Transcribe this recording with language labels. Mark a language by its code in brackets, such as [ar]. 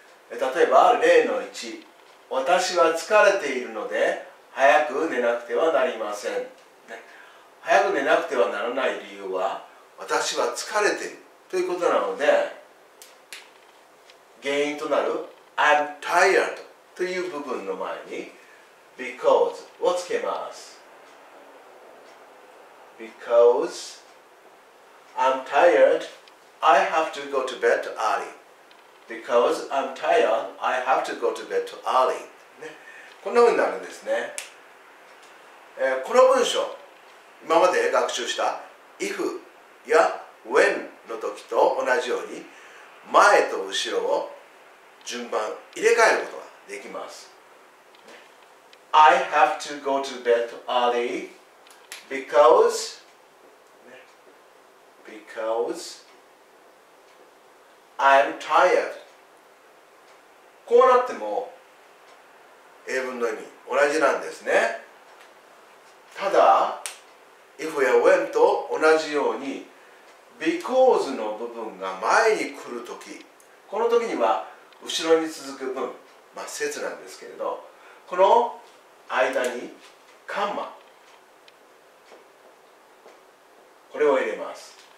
[ja] 例えば例の1、私は疲れているので早く寝なくてはなりません、ね、早く寝なくてはならない理由は、私は疲れているということなので、原因となる [en] I'm tired [ja] という部分の前に because をつけます。 [en] Because I'm tired, I have to go to bed early. Because I'm tired, I have to go to bed early. [ja] こんな風になるんですね。この文章、今まで学習した if や when の時と同じように、前と後ろを順番入れ替えることができます。 [en] I have to go to bed early because I'm tired。 [ja] こうなっても英文の意味同じなんですね。ただ if や when と同じように because の部分が前に来るとき、この時には後ろに続く文、まあ節なんですけれど、この間にカンマ、これを入れます。